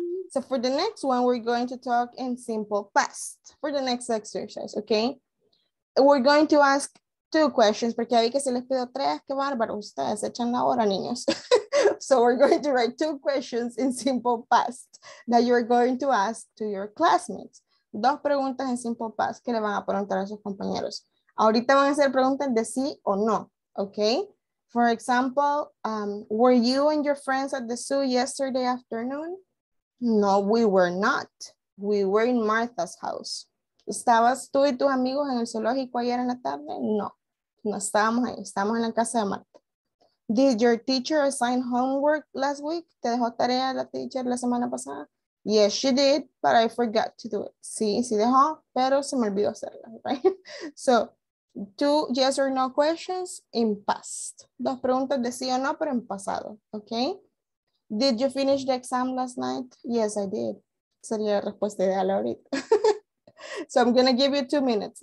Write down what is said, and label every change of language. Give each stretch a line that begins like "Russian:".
English: So for the next one, we're going to talk in simple past for the next exercise, okay? We're going to ask two questions.
Spanish: Porque vi que se les pidió tres. Qué bárbaro. Ustedes echan la hora, niños.
English: So we're going to write two questions in simple past that you're going to ask to your classmates.
Spanish: Dos preguntas en simple past que le van a preguntar a sus compañeros. Ahorita van a hacer preguntas de sí o no, okay?
English: For example, were you and your friends at the zoo yesterday afternoon? No, we were not. We were in Martha's house.
Spanish: ¿Estabas tú y tus amigos en el zoológico ayer en la tarde? No, no estábamos ahí. Estábamos en la casa de Martha.
English: Did your teacher assign homework last week?
Spanish: ¿Te dejó tarea la teacher la semana pasada?
English: Yes, she did, but I forgot to do it.
Spanish: Sí, sí dejó, pero se me olvidó hacerla, right?
English: So, two yes or no questions in past.
Spanish: Dos preguntas de sí o no, pero en pasado.
English: Okay. Did you finish the exam last night? Yes, I did.
Spanish: Sería la respuesta ideal ahorita.
English: So I'm going to give you 2 minutes.